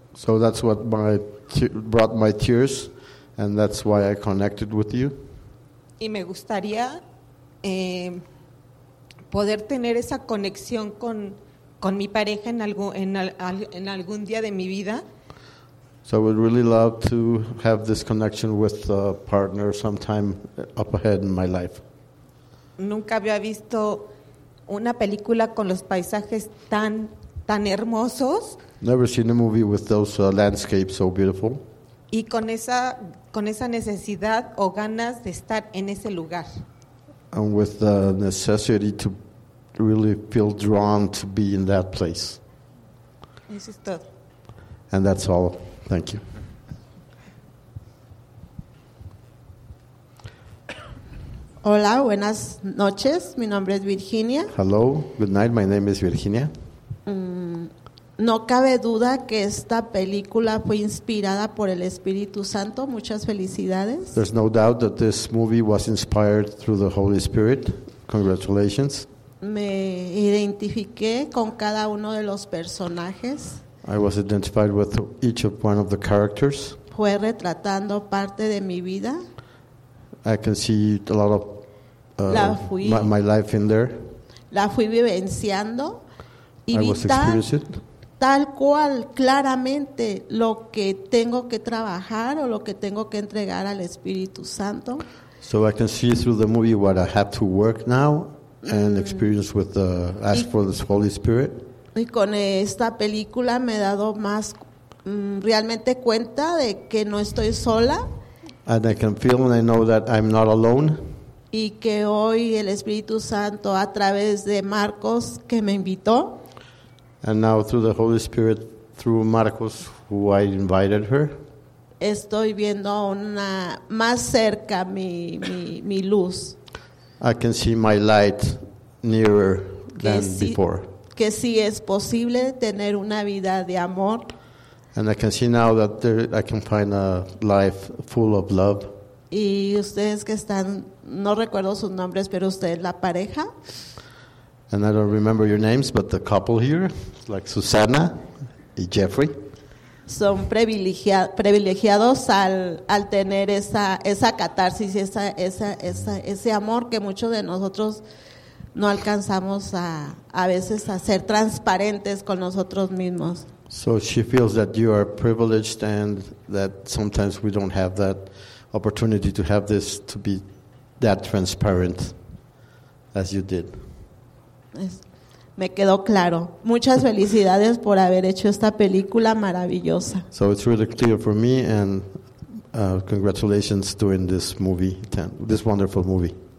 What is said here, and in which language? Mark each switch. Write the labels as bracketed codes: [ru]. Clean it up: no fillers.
[en] So that's what brought my tears, and that's why I connected with you. [es] Y me gustaría poder tener esa conexión con mi pareja en algún día de mi vida. [en] So I would really love to have this connection with a partner sometime up ahead in my life. [es] Nunca había visto una película con los paisajes tan hermosos. [en] Never seen a movie with those landscapes so beautiful. [es] Y con esa necesidad o ganas de estar en ese lugar. [en] And with the necessity to really feel drawn to be in that place. [es] Eso es todo. [en] And that's all. Thank you. [es] Hola, buenas noches. Mi nombre es Virginia. [en] Hello, good night. My name is Virginia. [es] No cabe duda que esta película fue inspirada por el Espíritu Santo. Muchas felicidades. [en] There's no doubt that this movie was inspired through the Holy Spirit. Congratulations. [es] Me identifiqué con cada uno de los personajes. [en] I was identified with each of one of the characters. [es] Fue retratando parte de mi vida. [en] I can see a lot of my life in there. [es] La fui vivenciando. [en] I was experiencing it. [es] Tal cual, claramente, lo que tengo que trabajar o lo que tengo que entregar al Espíritu Santo. [en] So I can see through the movie what I have to work now and experience with the ask for the Holy Spirit. [es] Y con esta película me he dado más realmente cuenta de que no estoy sola. [en] And I can feel and I know that I'm not alone. [es] Y que hoy el Espíritu Santo a través de Marcos que me invitó. [en] And now through the Holy Spirit, through Marcos, who I invited her. [es] Estoy viendo una más cerca mi luz. [en] I can see my light nearer than before. [es] Que sí es posible tener una vida de amor. [en] And I can see now that there, I can find a life full of love. [es] Y ustedes que están, no recuerdo sus nombres, pero ustedes la pareja. [en] And I don't remember your names, but the couple here, like Susana y Jeffrey. [es] Son privilegiados al tener esa catarsis, ese amor que muchos de nosotros no alcanzamos a veces a ser transparentes con nosotros mismos. [en] So she feels that you are privileged and that sometimes we don't have that opportunity to have this to be that transparent as you did. [es] Me quedó claro. Muchas felicidades por haber hecho esta película maravillosa. [en] So it's really clear for me, and congratulations doing this movie, this wonderful movie.